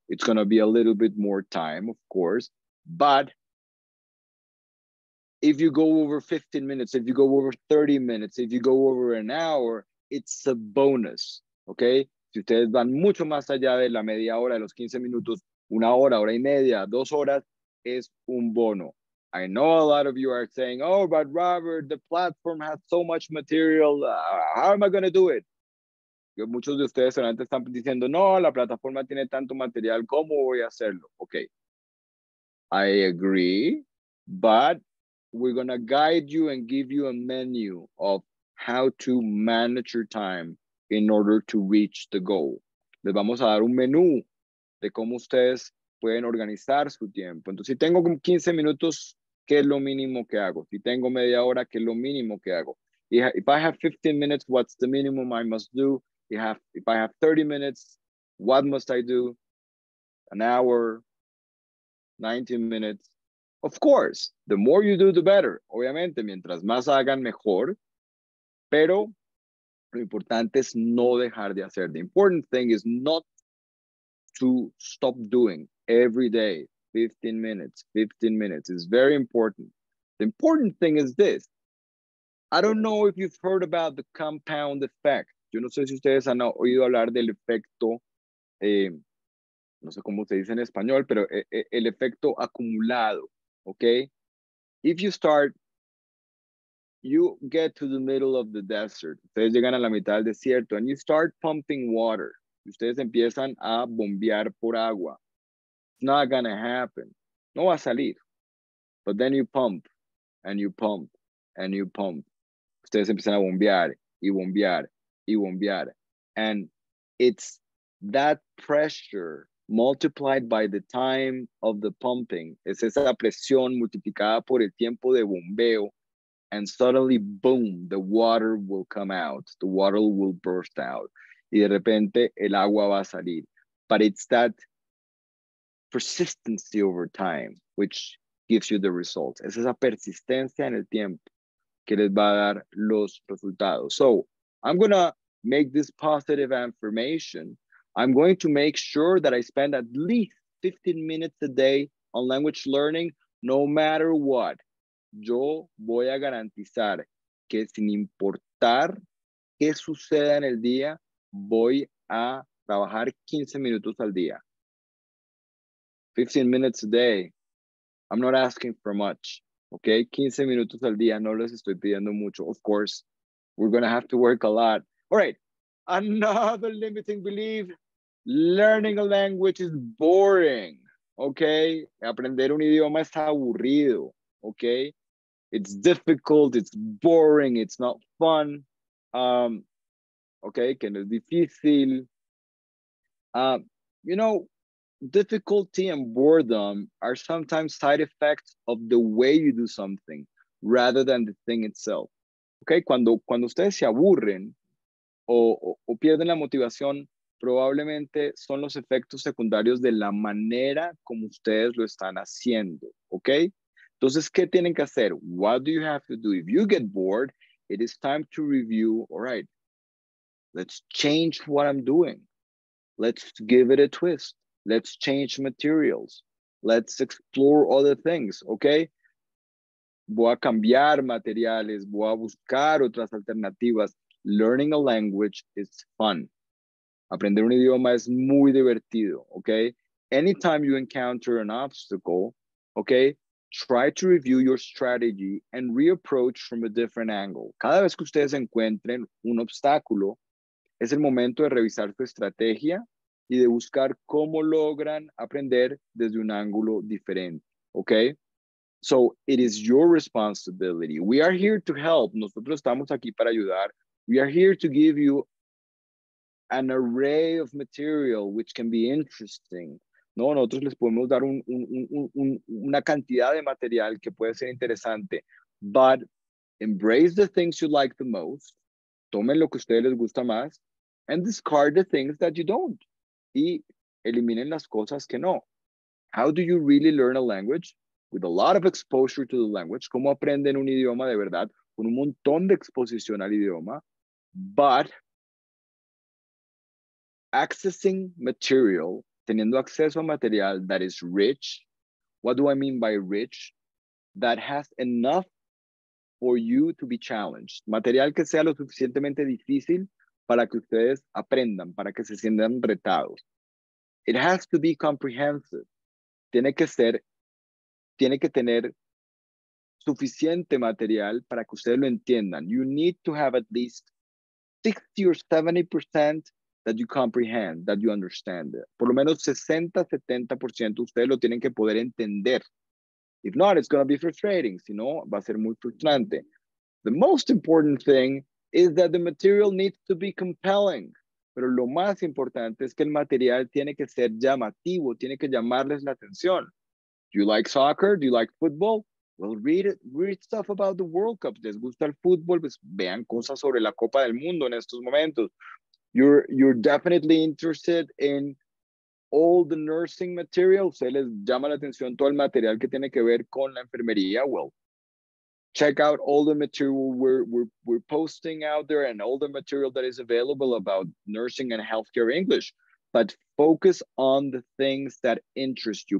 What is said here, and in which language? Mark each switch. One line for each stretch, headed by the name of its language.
English: It's going to be a little bit more time, of course. But if you go over 15 minutes, if you go over 30 minutes, if you go over an hour, it's a bonus, okay?
Spanish: Si ustedes van mucho más allá de la media hora, de los 15 minutos, una hora, hora y media, dos horas, es un bono.
English: I know a lot of you are saying, oh, but Robert, the platform has so much material, how am I going to do it?
Spanish: Muchos de ustedes solamente están diciendo, no, la plataforma tiene tanto material, ¿cómo voy a hacerlo?
English: Okay, I agree, but we're going to guide you and give you a menu of how to manage your time in order to reach the goal.
Spanish: Les vamos a dar un menú de cómo ustedes pueden organizar su tiempo. Entonces, si tengo 15 minutos, ¿qué es lo mínimo que hago? Si tengo media hora, ¿qué es lo mínimo que hago?
English: If I have 15 minutes, what's the minimum I must do? If I have 30 minutes, what must I do? An hour, 90 minutes. Of course, the more you do, the better.
Spanish: Obviamente, mientras más hagan, mejor. Pero lo importante es no dejar de hacer.
English: The important thing is not to stop doing every day. 15 minutes, 15 minutes is very important. The important thing is this. I don't know if you've heard about the compound effect.
Spanish: Yo no sé si ustedes han oído hablar del efecto, no sé cómo se dice en español, pero el efecto acumulado.
English: Okay, if you start, you get to the middle of the desert.
Spanish: Ustedes llegan a la mitad del desierto
English: and you start pumping water.
Spanish: Ustedes empiezan a bombear por agua.
English: It's not gonna happen.
Spanish: No va a salir.
English: But then you pump and you pump and you pump.
Spanish: Ustedes empiezan a bombear y bombear y bombear.
English: And it's that pressure multiplied by the time of the pumping.
Spanish: Es esa presión multiplicada por el tiempo de bombeo.
English: And suddenly, boom, the water will come out. The water will burst out.
Spanish: Y de repente, el agua va a salir.
English: But it's that persistency over time, which gives you the results.
Spanish: Es esa persistencia en el tiempo que les va a dar los resultados.
English: So, I'm going to make this positive affirmation. I'm going to make sure that I spend at least 15 minutes a day on language learning, no matter what.
Spanish: Yo voy a garantizar que sin importar qué suceda en el día, voy a trabajar 15 minutos al día.
English: 15 minutes a day. I'm not asking for much.
Spanish: Okay, 15 minutos al día. No les estoy pidiendo mucho.
English: Of course, we're going to have to work a lot. All right. Another limiting belief. Learning a language is boring, okay?
Spanish: Aprender un idioma es aburrido, okay?
English: It's difficult, it's boring, it's not fun, okay?
Spanish: Que no es difícil.
English: You know, difficulty and boredom are sometimes side effects of the way you do something rather than the thing itself, okay?
Spanish: Cuando ustedes se aburren o pierden la motivación, probablemente son los efectos secundarios de la manera como ustedes lo están haciendo, okay? Entonces, ¿qué tienen que hacer?
English: What do you have to do? If you get bored, it is time to review, all right, let's change what I'm doing. Let's give it a twist. Let's change materials. Let's explore other things, okay?
Spanish: Voy a cambiar materiales, voy a buscar otras alternativas.
English: Learning a language is fun.
Spanish: Aprender un idioma es muy divertido, okay?
English: Anytime you encounter an obstacle, okay, try to review your strategy and reapproach from a different angle.
Spanish: Cada vez que ustedes encuentren un obstáculo, es el momento de revisar su estrategia y de buscar cómo logran aprender desde un ángulo diferente, okay?
English: So it is your responsibility. We are here to help.
Spanish: Nosotros estamos aquí para ayudar.
English: We are here to give you an array of material which can be interesting.
Spanish: No, nosotros les podemos dar una cantidad de material que puede ser interesante.
English: But embrace the things you like the most.
Spanish: Tomen lo que a ustedes les gusta más.
English: And discard the things that you don't.
Spanish: Y eliminen las cosas que no.
English: How do you really learn a language? With a lot of exposure to the language.
Spanish: ¿Cómo aprenden un idioma de verdad? Con un montón de exposición al idioma.
English: But accessing material,
Spanish: teniendo acceso a material
English: that is rich. What do I mean by rich? That has enough for you to be challenged.
Spanish: Material que sea lo suficientemente difícil para que ustedes aprendan, para que se sientan retados.
English: It has to be comprehensive.
Spanish: Tiene que tener suficiente material para que ustedes lo entiendan.
English: You need to have at least 60 or 70% that you comprehend, that you understand.
Spanish: Por lo menos 60, 70% ustedes lo tienen que poder entender.
English: If not, it's going to be frustrating.
Spanish: Si no, va a ser muy frustrante.
English: The most important thing is that the material needs to be compelling.
Spanish: Pero lo más importante es que el material tiene que ser llamativo, tiene que llamarles la atención.
English: Do you like soccer? Do you like football? Well, read stuff about the World Cup.
Spanish: ¿Les gusta el fútbol? Pues vean cosas sobre la Copa del Mundo en estos momentos.
English: You're definitely interested in all the nursing material.
Spanish: ¿Se les llama la atención todo el material que tiene que ver con la enfermería?
English: Well, check out all the material we're posting out there and all the material that is available about nursing and healthcare English. But focus on the things that interest you.